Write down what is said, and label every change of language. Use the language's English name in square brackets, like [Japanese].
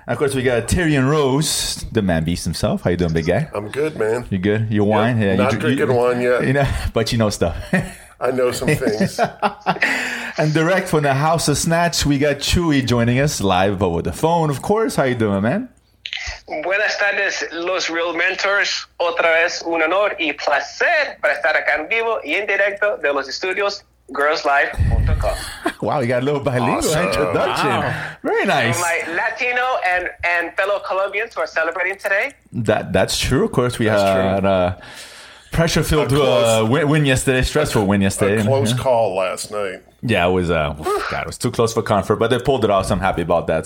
[English] And of course, we got Tyrion Rose, the man beast himself. How you doing, big guy? I'm good, man. You good? Your wine? Yeah, not drinking wine yet. You know, but you know stuff. I know some things. And direct from the House of Snatch, we got Chewie joining us live over the phone, of course. How you doing, man? [Spanish] Buenas tardes, los real mentors. Otra vez, un honor y placer para estar acá en vivo y en directo de los estudios girlslife.com. [English] Wow, you got a little bilingual introduction. Wow. Very nice. So my Latino and fellow Colombians who are celebrating today. That's true. Of course, we had pressure-filled win yesterday, stressful win yesterday. A close call last night. Yeah, it was too close for comfort, but they pulled it off, so I'm happy about that.